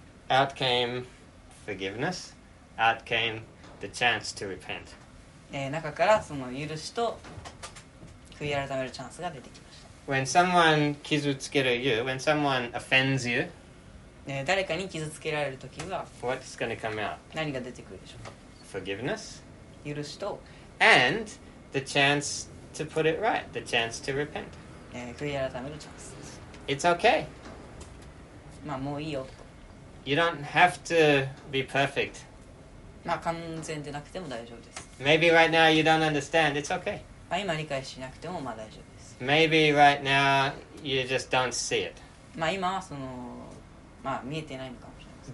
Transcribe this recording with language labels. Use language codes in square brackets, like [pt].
[en] Out came forgiveness. Out came the chance to repent. [ja] 中からその許しと悔い改めるチャンスが出てきました。 [en] When someone 傷つける you, when someone offends you, [ja] 誰かに傷つけられるときは、 [en] What's going to come out? [ja] 何が出てくるでしょうか? [en] Forgiveness. [ja] 許しと [en] and the chance. To put it right, the chance to repent. [ja] 悔い改めるチャンスです。 [en] It's okay. [ja] まあもういいよ。 [en] You don't have to be perfect. [ja] まあ完全でなくても大丈夫です。 [en] Maybe right now you don't understand. It's okay. [ja] まあ今理解しなくてもまあ大丈夫です。 [en] Maybe right now you just don't see it. [ja] まあ今はそのまあ見えてないのかもしれません。